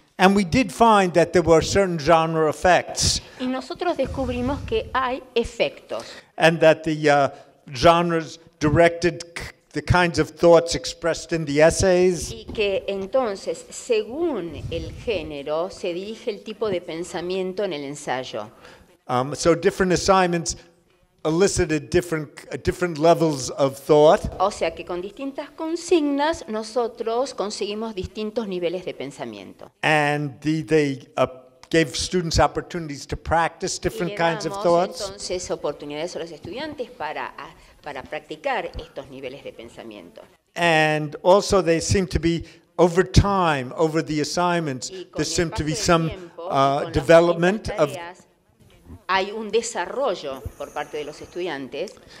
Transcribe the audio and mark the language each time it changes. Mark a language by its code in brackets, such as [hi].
[en] And we did find that there were certain genre effects. [es] Y nosotros descubrimos que hay efectos. [en] And that the genres directed the kinds of thoughts expressed in the essays. [es] Y que entonces, según el género, se dirige el tipo de pensamiento en el ensayo. [en] So different assignments elicited different levels of thought. [es] O sea que con distintas consignas nosotros conseguimos distintos niveles de pensamiento. [en] And they gave students opportunities to practice different kinds of thoughts. [es] Y damos entonces oportunidades a los estudiantes para practicar estos niveles de pensamiento. [en] And also they seem to be over time, over the assignments, there seemed to be some development of. [es] Hay un desarrollo por parte de los estudiantes.